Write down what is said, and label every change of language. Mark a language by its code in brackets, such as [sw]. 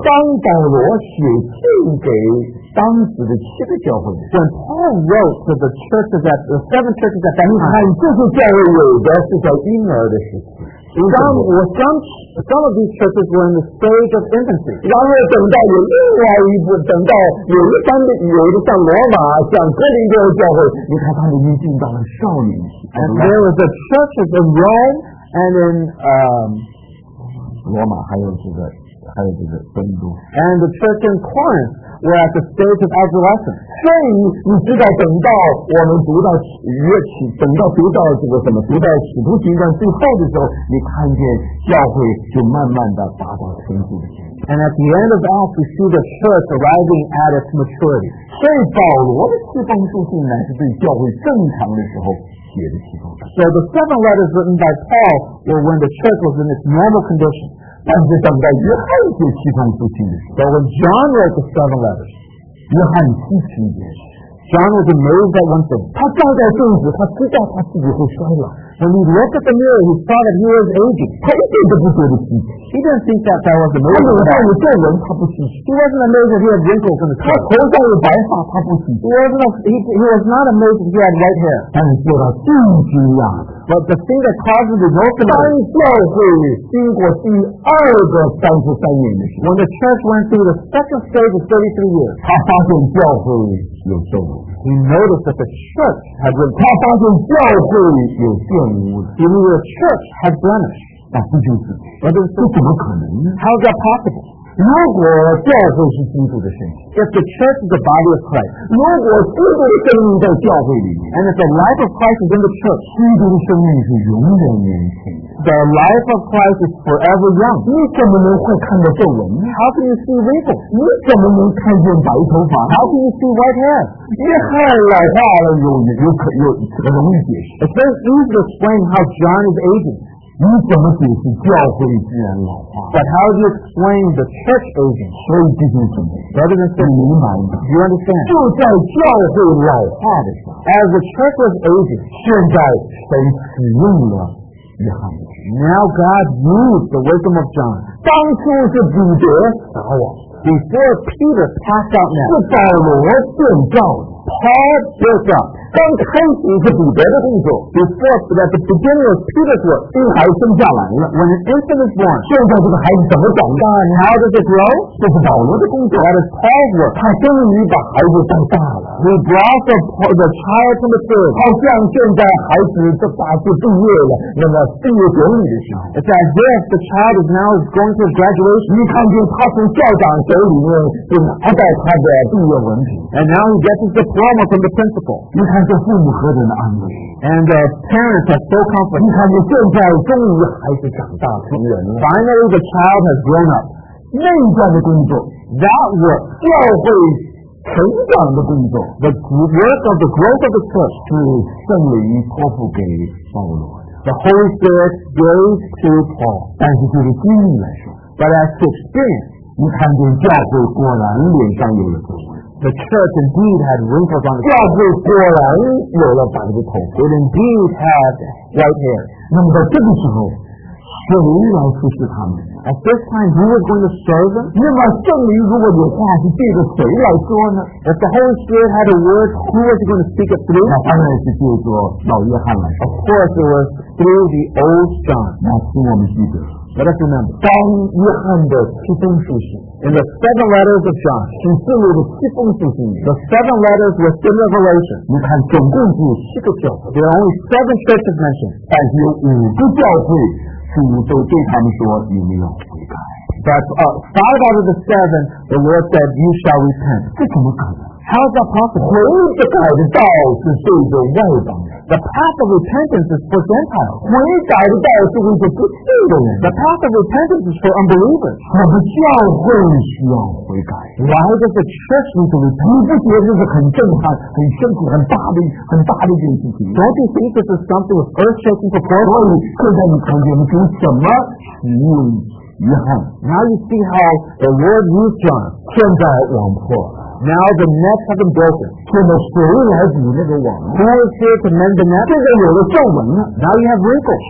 [zh] 当保罗写信给当时的七个教会 [en] ，when Paul wrote to the churches at the seven churches at that time， [zh] 这些教会有的是叫婴儿的时期。 [en] Some of these churches were in the stage of infancy. [zh] 然后等到有另外一部，等到有一般的，有一个像罗马、像哥林多的教会，你看他们已经到了少年期。 [en] And there was a church in Rome and in [zh] 罗马，还有这个哥林多。 [en] And the church in Corinth were at the stage of adolescence. [zh] 所以你知道，等到我们读到约启，等到读到这个什么，读到使徒行传最后的时候，你看见教会就慢慢的达到成熟的。 [en] And at the end of Acts, we see the church arriving at its maturity. [zh] 所以保罗的七封书信乃是对教会正常的时候。 [en] So the seven letters written by Paul were when the church was in its normal condition. So when John wrote the seven letters, John was amazed at one thing. [zh] 他照在镜子，他知道他自己会衰老。 [en] When he looked at the mirror, he saw that he was aging. [zh] 他一点都不觉得奇怪。 [en] He didn't think that that was amazing. [zh] 他怎么这人他不奇怪。 [en] He wasn't amazed that he had wrinkles in his hair. [zh] 他头上有白发他不奇怪。 [en] He was not amazed that he had white hair. [zh] 但是他震惊呀。 [en] But the thing that caused him to know [zh] that 当教会经过第二个33年的时候 [en] ，When the church went through the second stage of 33 years， [zh] 他发现教会有皱纹。 [en] He noticed that the church had been. [zh] 他发现教会有玷污。 [en] He knew the church had blemished. [zh] 那不就是？那这怎么可能呢 [en] ？How is that possible？ [zh] 如果教会是基督的身体 [en] ，if the church is the body of Christ， [zh] 如果基督的生命在教会里面 [en] ，and if the life of Christ is in the church， [zh] 基督的生命是永远年轻的 [en] ，the life of Christ is forever young， [zh] 你怎么能会看到皱纹 [en] ？How can you see wrinkles？ [zh] 你怎么能看见白头发 [en] ？How can you see white hair？ [zh] 约翰老化了，有这个容易解释 [en] ，it's very easy to explain how John is aging。 [zh] 你怎么解释教会居然老化 [en] ？But how do you explain the church aging？ [zh] 所以这是什么 [en] ？Brothers and sisters， [zh] 明白吗 [en] ？You understand？ [zh] 就在教会老化的时候 [en] ，As the church was aging， [zh] 现在神使用了约翰。 [en] Now God used the wisdom of John。 [zh] 当初是彼得撒网 [en] ，Before Peter passed out， [zh] 是保罗建造的 [en] ，Paul built up。 [zh] 刚开始是彼得的工作 [en] before that the beginning of Peter's work [zh] 这个孩子生下来了 [en] when an infant is born [zh] 现在这个孩子怎么长大 [en] and how does it grow [zh] 这是保罗的工作 [en] that is Paul's work [zh] 他终于把孩子长大了 [en] he brought the child to maturity [zh] 好像现在孩子这大学毕业了那么毕业典礼的时候 [en] it's as if the child is now going to graduation [zh] 你看见他从校长手里面就拿到他的毕业文凭 [en] and now he gets his diploma from the principal [zh] 你看这父母何等的安慰 [en] and the parents are so comforted [zh] 你看见现在终于孩子长大成人了 [en] finally the child has grown up [zh] 内在的工作 [en] that work [zh] 教会成长的工作 [en] the work of the growth of the church [zh] 是圣灵托付给保罗 [en] the Holy Spirit goes to Paul [zh] 但是就是经历来说 [en] but as experience [zh] 你看见教会果然脸上有了皱纹 [en] The church indeed had wrinkles on the face. [zh] 教会果然有了白的头。 [en] It indeed had white hair. [zh] 那么在这个时候，谁来服侍他们 [en] ？At this time, who is going to serve them? [zh] 那么圣灵如果有话是借着谁来说呢 [en] ？If the Holy Spirit had a word, who was going to speak it through? [zh] 那当然是借着老约翰来说。 [en] Of course, it was through the old John. [zh] 那请我们记得。 [en] Let us remember, [zh] 当约翰的七封书信 [en] in the seven letters of John, [zh] 启示录的七封书信 [en] the seven letters were the revelation. [zh] 你看，总共有七个教会 [en] there are only seven churches mentioned. [zh] 但是有五个教会，主都对他们说，你们要悔改。 [en] But five out of the seven, the Lord said, "You shall repent." [zh] 这怎么可能？ [en] How is that possible? [zh] 悔的改的道是对着外邦。 [en] The path of repentance is for Gentiles. [zh] 悔改的道是为着不信的人。 [en] The path of repentance is for unbelievers. [zh] 我们教会需要悔改。 [en] Why does the church need to repent? [zh] 你不觉得这是很震撼、很辛苦、很大的一件事情 [en] ？Don't you think this is something of earth-shaking proportion? [zh] 所以现在你看见我们怎么使用约翰 [en] ？Now you see how the Lord used John. [zh] 现在网破。 [en] Now the nets have been broken. [zh] 现在谁来补那个网 [en] ？Who is here to mend the net? [zh] 现在有了皱纹了。 [en] Now you have wrinkles.